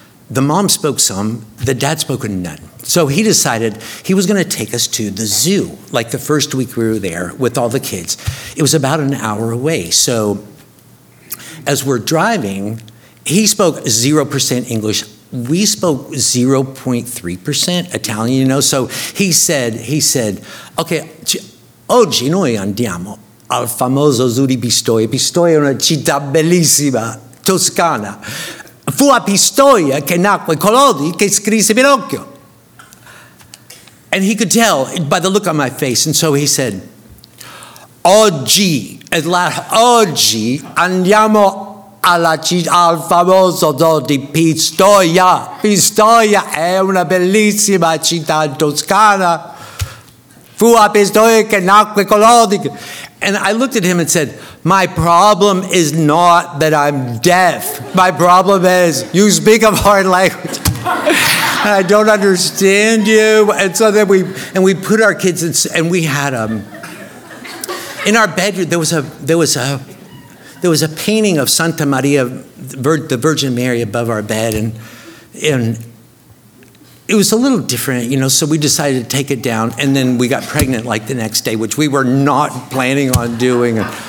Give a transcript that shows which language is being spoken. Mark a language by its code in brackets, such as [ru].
[en] The mom spoke some, the dad spoke none. So he decided he was gonna take us to the zoo, like, the first week we were there with all the kids. It was about an hour away. So as we're driving, he spoke 0% English. We spoke 0.3% Italian, you know? So he said, okay, [it] oggi noi andiamo al famoso zoo di Pistoia. Pistoia è una città bellissima. Toscana. Fu a Pistoia che nacque Collodi che scrisse Pinocchio. [en] And he could tell by the look on my face, and so he said, oggi, at last, [it] oggi andiamo alla al famoso zoo di Pistoia. Pistoia è una bellissima città toscana. Fu a Pistoia che nacque Collodi. [en] And I looked at him and said, my problem is not that I'm deaf. My problem is you speak a foreign language. And I don't understand you. And so then we put our kids in, and we had in our bedroom there was a painting of Santa Maria, the Virgin Mary, above our bed, and it was a little different, you know, so we decided to take it down, and then we got pregnant like the next day, which we were not planning on doing.